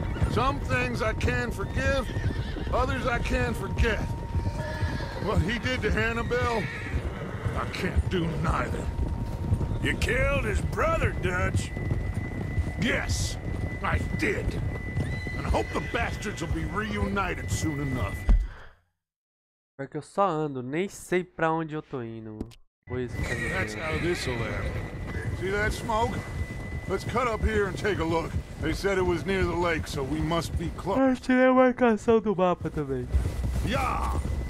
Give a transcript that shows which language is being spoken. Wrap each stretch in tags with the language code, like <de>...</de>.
<en>Some things I can forgive, others I can forget. What he did to Hannibal, I can't do neither. You killed his brother, Dutch. Yes, I did. And I hope the bastards will be reunited soon enough.</en> <pt>Pior que eu só ando, nem sei pra onde eu tô indo. Pois é.</pt> <en>That's how this'll end. See that smoke? Let's cut up here and take a look. They said it was near the lake, so we must be close.</en> <pt>Eu tirei a marcação do mapa também.</pt> <en>Yeah!</en>